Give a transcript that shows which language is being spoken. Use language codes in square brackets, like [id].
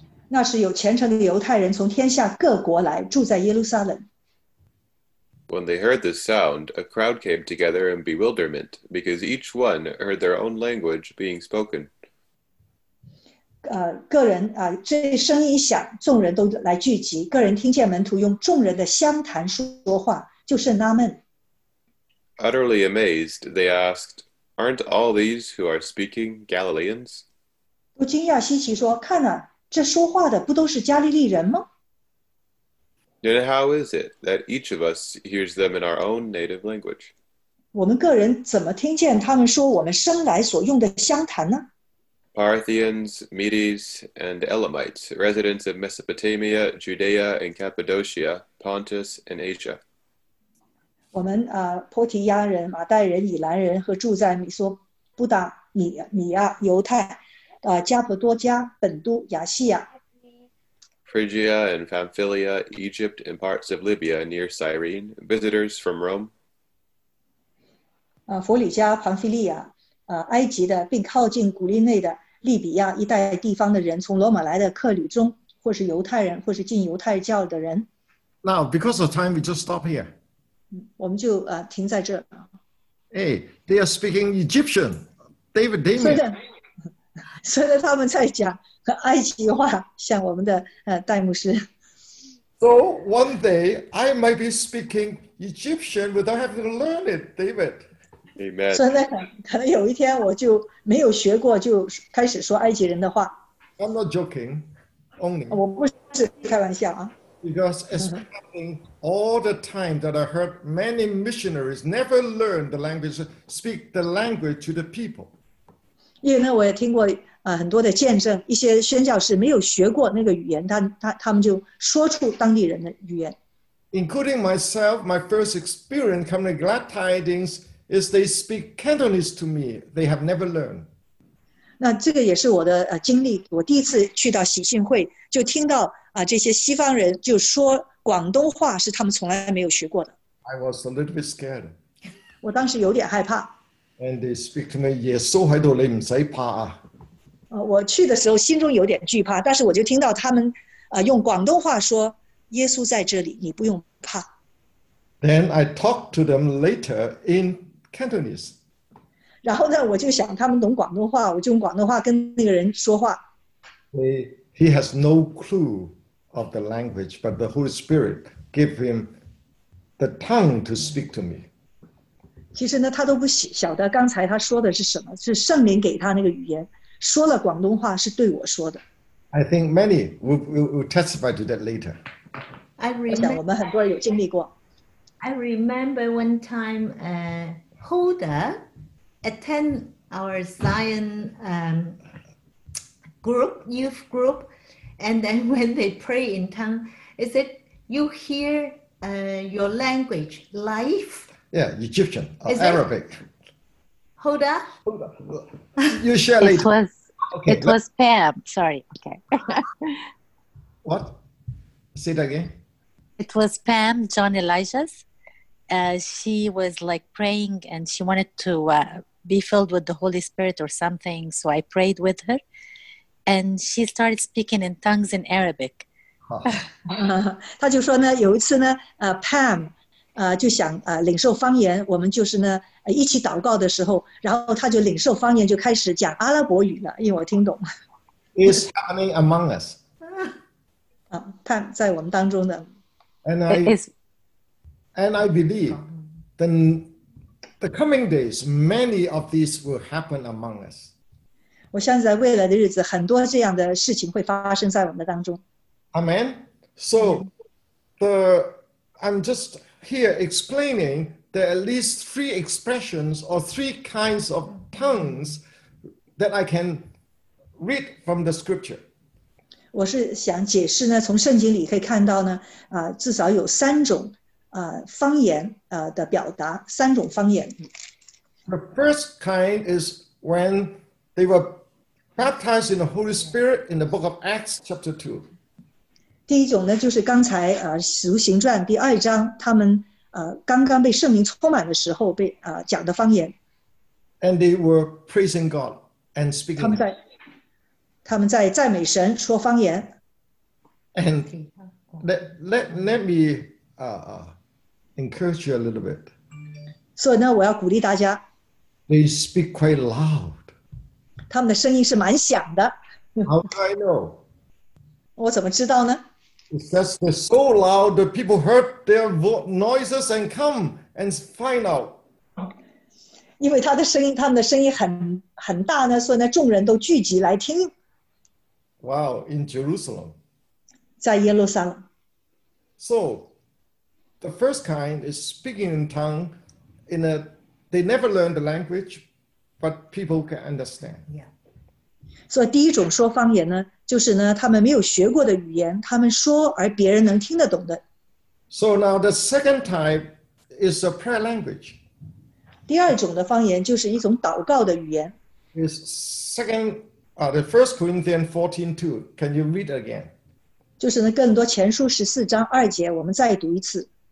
[zh] 那时有虔诚的犹太人从天下各国来住在耶路撒冷。 [en] When they heard this sound, a crowd came together in bewilderment, because each one heard their own language being spoken. [zh] 个人这声音响，众人都来聚集，个人听见门徒用众人的相谈说话，就甚纳闷。 [en] Utterly amazed, they asked, Aren't all these who are speaking Galileans? [zh] 都惊讶稀奇说，看啊，这说话的不都是加利利人吗？ [en] Then how is it that each of us hears them in our own native language? [zh] 我们个人怎么听见他们说我们生来所用的相谈呢？ [en] Parthians, Medes, and Elamites, residents of Mesopotamia, Judea, and Cappadocia, Pontus, and Asia. [zh] 我们波提亚人、马代人、以兰人和住在米索布达米亚、犹太、加伯多加、本都、亚细亚。 [en] Phrygia and Pamphylia, Egypt, and parts of Libya near Cyrene, visitors from Rome. [zh] 佛里加、庞菲利亚。埃及的并靠近古利内的利比亚一带地方的人，从罗马来的客旅中，或是犹太人，或是进犹太教的人。 [en] Now, because of time, we just stop here. [zh] 我们就停在这。 [en] Hey, they are speaking Egyptian. David, Damien. [zh] 所以他们在讲埃及话，像我们的戴牧师。 [en] So one day, I might be speaking Egyptian without having to learn it, David. Amen. [zh] 所以呢，可能有一天我就没有学过，就开始说埃及人的话。 [en] I'm not joking, only. [zh] 我不是开玩笑啊。 [en] Because it's happening all the time that I heard many missionaries never learn the language, speak the language to the people. [zh] 因为呢，我也听过很多的见证，一些宣教士没有学过那个语言，他们就说出当地人的语言。 [en] Including myself, my first experience coming to Glad Tidings. Is they speak Cantonese to me? They have never learned. [zh] 那这个也是我的经历。我第一次去到喜信会，就听到这些西方人就说广东话，是他们从来没有学过的。 [en] I was a little bit scared. [zh] 我当时有点害怕。 [en] And they speak to me, [zh] 耶稣在这里，你不用怕啊。我去的时候心中有点惧怕，但是我就听到他们用广东话说，耶稣在这里，你不用怕。 [en] Then I talked to them later in Cantonese. [zh] 然后呢，我就想他们懂广东话，我就用广东话跟那个人说话。 [en] He has no clue of the language, but the Holy Spirit gave him the tongue to speak to me. [zh] 其实呢，他都不晓得刚才他说的是什么，是圣灵给他那个语言，说了广东话是对我说的。 [en] I think many will testify to that later. I [zh] 想我们很多人有经历过。 [en] I remember one time, Hoda attend our Zion group, youth group, and then when they pray in tongue, is it you hear your language, life? Yeah, Egyptian, Arabic. Hoda? Hoda. You share later. It was Pam, sorry, okay. What? Say it again. It was Pam, John Elijah's. She was like praying and she wanted to be filled with the Holy Spirit or something. So I prayed with her and she started speaking in tongues in Arabic. [zh] 她就说呢，有一次呢，Pam 就想领受方言，我们就是呢一起祷告的时候，然后她就领受方言就开始讲阿拉伯语了，因为我听懂。 [en] It's happening among us. [zh] Pam 在我们当中的。 [en] And I believe then the coming days, many of these will happen among us. [zh] 我相信在未来的日子，很多这样的事情会发生在我们当中。 [en] Amen. So, I'm just here explaining there are at least three expressions or three kinds of tongues that I can read from the scripture. [zh] 我是想解释呢，从圣经里可以看到呢，至少有三种。方言的表达三种方言。 [en] The first kind is when they were baptized in the Holy Spirit in the book of Acts chapter 2. [zh] 第一种呢就是刚才使徒行传第二章他们刚刚被圣灵充满的时候被讲的方言。 [en] And they were praising God and speaking. [zh] 他们在赞美神说方言。 [en] And let me encourage you a little bit. So now, [zh] 我要鼓励大家。 [en] They speak quite loud. [zh] 他们的声音是蛮响的。 [en] How do I know? [zh] 我怎么知道呢？ [en] It says they're so loud that people heard their noises and come and find out. [zh] 因为他们的声音很大呢，所以呢，众人都聚集来听。 [en] Wow, in Jerusalem. [zh] 在耶路撒冷。 [en] So,the first kind is speaking in tongue. They never learn the language, but people can understand. Yeah. [zh] So, 第一种说方言呢，就是呢，他们没有学过的语言，他们说而别人能听得懂的。 [en] So now the second type is a prayer language. [zh] 第二种的方言就是一种祷告的语言。 [en] Is second, the First Corinthians 14:2. Can you read again? [zh] 就是呢，更多前书十四章二节，我们再读一次。